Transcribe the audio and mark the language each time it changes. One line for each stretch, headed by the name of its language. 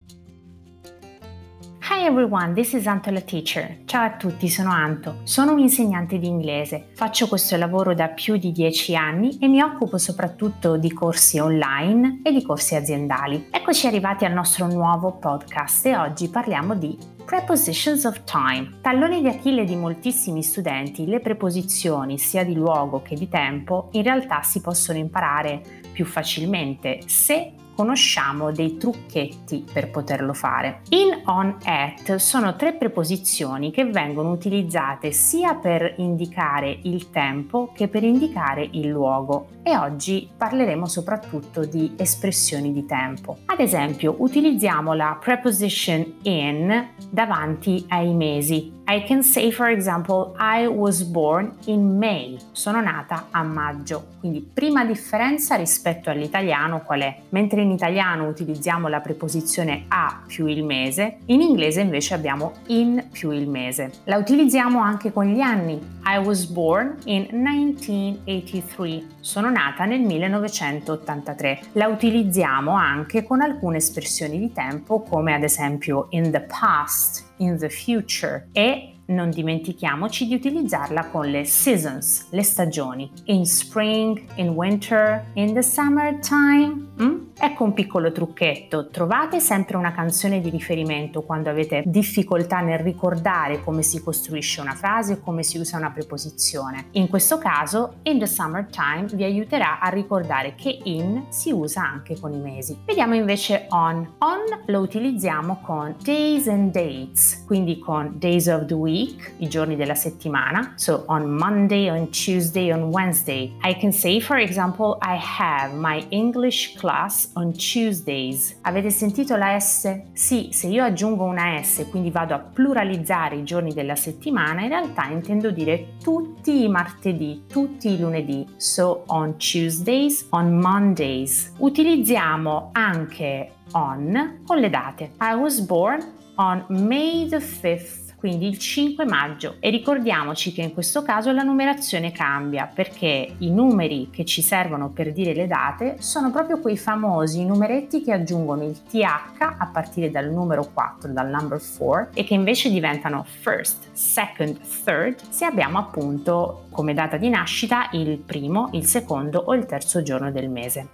English: Hi everyone, this is Anto la teacher.
Italian: Ciao a tutti, sono Anto. Sono un insegnante di inglese. Faccio questo lavoro da più di 10 anni e mi occupo soprattutto di corsi online e di corsi aziendali. Eccoci arrivati al nostro nuovo podcast e oggi parliamo di Prepositions of Time. Tallone di Achille di moltissimi studenti, le preposizioni sia di luogo che di tempo in realtà si possono imparare più facilmente se conosciamo dei trucchetti per poterlo fare. In, on, at sono 3 preposizioni che vengono utilizzate sia per indicare il tempo che per indicare il luogo. E oggi parleremo soprattutto di espressioni di tempo. Ad esempio, utilizziamo la preposition in davanti ai mesi.
English: I can say, for example, I was born in May.
Italian: Sono nata a maggio. Quindi, prima differenza rispetto all'italiano qual è? Mentre in italiano utilizziamo la preposizione a più il mese, in inglese invece abbiamo in più il mese. La utilizziamo anche con gli anni.
English: I was born in 1983.
Italian: Sono nata nel 1983. La utilizziamo anche con alcune espressioni di tempo, come ad esempio
English: in the past, in the future,
Italian: e non dimentichiamoci di utilizzarla con le seasons, le stagioni,
English: in spring, in winter, in the summertime.
Italian: Ecco un piccolo trucchetto: trovate sempre una canzone di riferimento quando avete difficoltà nel ricordare come si costruisce una frase o come si usa una preposizione. In questo caso,
English: in the summertime
Italian: vi aiuterà a ricordare che in si usa anche con i mesi. Vediamo invece on. On lo utilizziamo con
English: days and dates,
Italian: quindi con
English: days of the week,
Italian: i giorni della settimana.
English: So on Monday, on Tuesday, on Wednesday. I can say, for example, I have my English class on Tuesdays.
Italian: Avete sentito la S? Sì, se io aggiungo una S, quindi vado a pluralizzare i giorni della settimana, in realtà intendo dire tutti i martedì, tutti i lunedì.
English: So on Tuesdays, on Mondays.
Italian: Utilizziamo anche on con le date.
English: I was born on May the 5th.
Italian: Quindi il 5 maggio. E ricordiamoci che in questo caso la numerazione cambia, perché i numeri che ci servono per dire le date sono proprio quei famosi numeretti che aggiungono il TH a partire dal numero 4, dal
English: number 4,
Italian: e che invece diventano
English: first, second, third,
Italian: se abbiamo appunto come data di nascita il primo, il secondo o il terzo giorno del mese.